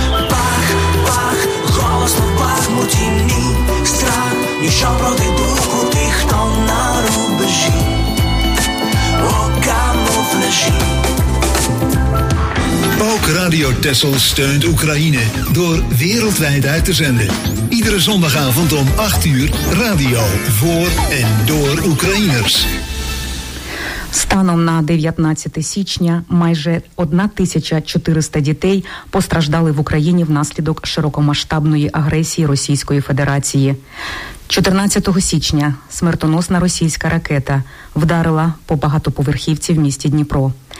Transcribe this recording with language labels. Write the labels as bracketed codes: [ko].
[uk] Пах, пах, голосно пахнуть імні. Страх, ніщо проти духу тих, хто на рубежі у камуфляжі. [nl] Ook Radio Texel steunt Oekraïne door wereldwijd uit te zenden. Iedere zondagavond om 8 uur radio voor en door Oekraïners. [uk] Станом на 19 січня майже 1400 дітей постраждали в Україні внаслідок широкомасштабної агресії Російської Федерації. 14 січня смертоносна російська ракета вдарила по багатоповерхівці в місті Дніпро.